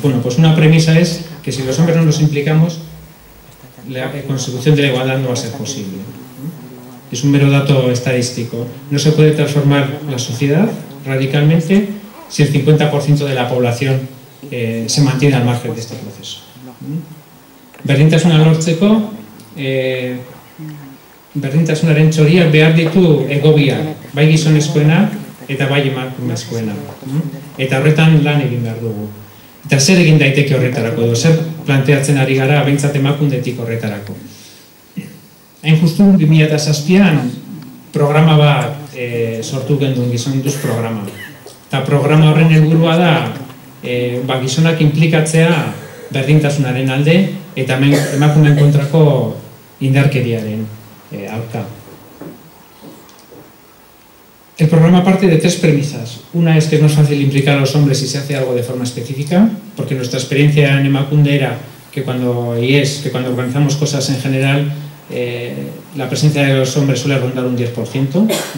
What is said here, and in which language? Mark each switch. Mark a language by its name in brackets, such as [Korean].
[Spanish] Bueno, pues una premisa es que si los hombres no nos implicamos, la consecución de la igualdad no va a ser posible. es un mero dato estadístico. No se puede transformar la sociedad radicalmente si el 50% de la población se mantiene al margen de este proceso. [Basque] Berdintasuna lortzeko, berdintasunaren txoriak behar ditu egobiak, bai gizonezkoenak eta bai emakumezkoenak. Eta horretan lan egin behar dugu. Eta zer egin daiteke horretarako, edo zer planteatzen ari gara behintzat emakundetik horretarako. Hain justu, 2007an programa bat sortu genuen gizonduz programa. Eta programa horren helburua da, gizonak implikatzea berdintasunaren alde eta emakumeen kontrako indarkeriaren aurka. [Spanish] El programa parte de tres premisas. Una es que no es fácil implicar a los hombres si se hace algo de forma específica, porque nuestra experiencia en Emakunde era que cuando, y es, que cuando organizamos cosas en general, la presencia de los hombres suele rondar un 10%.